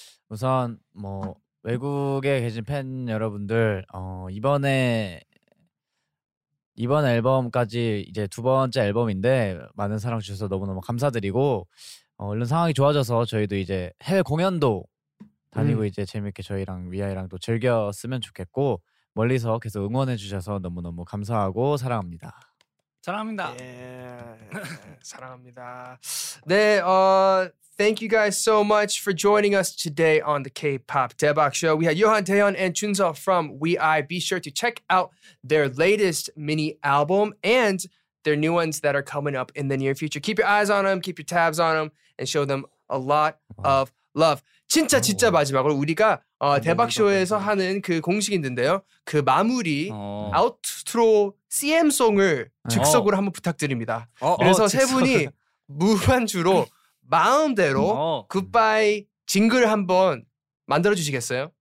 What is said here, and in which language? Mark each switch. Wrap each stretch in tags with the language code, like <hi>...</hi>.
<ko>우선 뭐 외국에 계신 팬 여러분들 이번 앨범까지 이제 두 번째 앨범인데 많은 사랑 주셔서 너무너무 감사드리고 얼른 상황이 좋아져서 저희도 이제 해외 공연도 다니고 이제 재밌게 저희랑 위아이랑 또 즐겼으면 좋겠고 멀리서 계속 응원해 주셔서 너무너무 감사하고 사랑합니다. 사랑합니다. 예, 사랑합니다.</ko> <en>네, thank you guys so much for joining us today on the K-pop 대박 show. We had Yohan, Taehyun, and Junseo from WEEI. Be sure to check out their latest mini album and their new ones that are coming up in the near future. Keep your eyes on them, keep your tabs on them, and show them a lot of love.</en> <ko>진짜 진짜 마지막으로 우리가 대박 쇼에서 하는 그 공식인데요. 그 마무리 아웃트로 CM 송을 즉석으로 한번 부탁드립니다. 그래서 세 분이 무한주로 마음대로 굿바이 징글 한번 만들어 주시겠어요?</ko>